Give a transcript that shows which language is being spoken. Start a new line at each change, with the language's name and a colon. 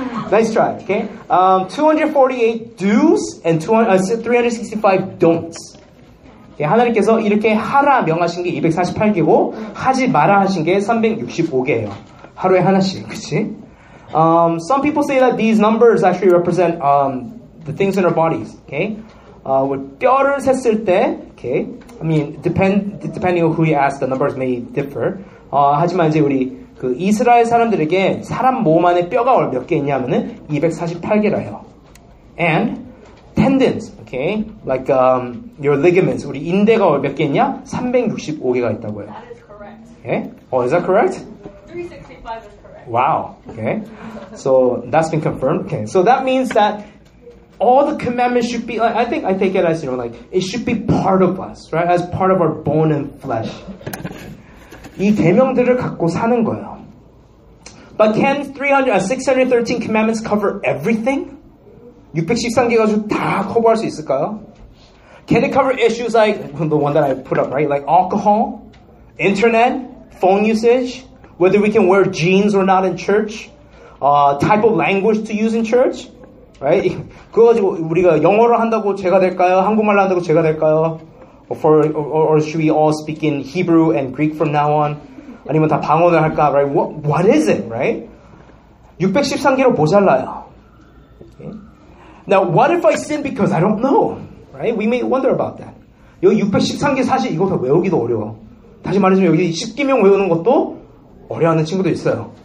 English: Nice try, okay? 248 do's and 365 don'ts.
Korean: 예, 하나님께서 이렇게 하라 명하신 게 248개고 하지 마라 하신 게 365개예요. 하루에 하나씩, 그치?
English: Some people say that these numbers actually represent the things in our bodies. Okay?
Korean: 뼈를 셌을 때,
English: okay? I mean, depending on who you ask, the numbers may differ.
Korean: 하지만 이제 우리 그 이스라엘 사람들에게 사람 몸 안에 뼈가 몇 개 있냐면은 248개라 해요.
English: And tendons, okay? Like your ligaments.
Korean: 우리 인대가 몇 개 있냐? 365개가 있다고요.
English: That is correct. Okay? Oh, is that correct? 365 is correct. Wow. Okay. So that's been confirmed. Okay. So that means that all the commandments should be, like, I think it as, you know, like, it should be part of us, right? As part of our bone and flesh.
Korean: 이 계명들을 갖고 사는 거예요.
English: But can 613 commandments cover everything?
Korean: 613개 가지고 다 커버할 수 있을까요?
English: Can it cover issues like the one that I put up, right? Like alcohol, internet, phone usage, whether we can wear jeans or not in church, type of language to use in church, right?
Korean: 그거 가지고 우리가 영어를 한다고 제가 될까요? 한국말로 한다고 제가 될까요?
English: Or should we all speak in Hebrew and Greek from now on?
Korean: 아니면 다 방언을 할까?
English: Right? What is it, right?
Korean: 613개로 모자라요.
English: Now, what if I sin because I don't know? Right? We may wonder about that.
Korean: 요 613개 사실 이거 다 외우기도 어려워. 다시 말해주면 여기 10계명 외우는 것도 어려워하는 친구도 있어요.